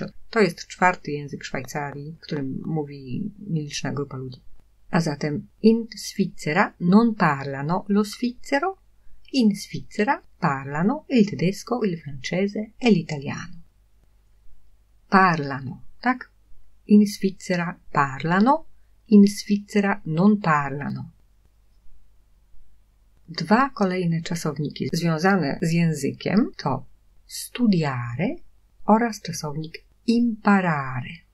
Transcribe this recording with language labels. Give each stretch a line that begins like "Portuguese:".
Polish: To jest czwarty język Szwajcarii, którym mówi nieliczna grupa ludzi. A zatem
Italian: in Svizzera non parlano lo svizzero. In Svizzera parlano il tedesco, il francese e l'italiano. Parlano, tak? In Svizzera parlano. In Svizzera non parlano.
Polish: Dwa kolejne czasowniki związane z językiem to studiare oraz czasownik imparare.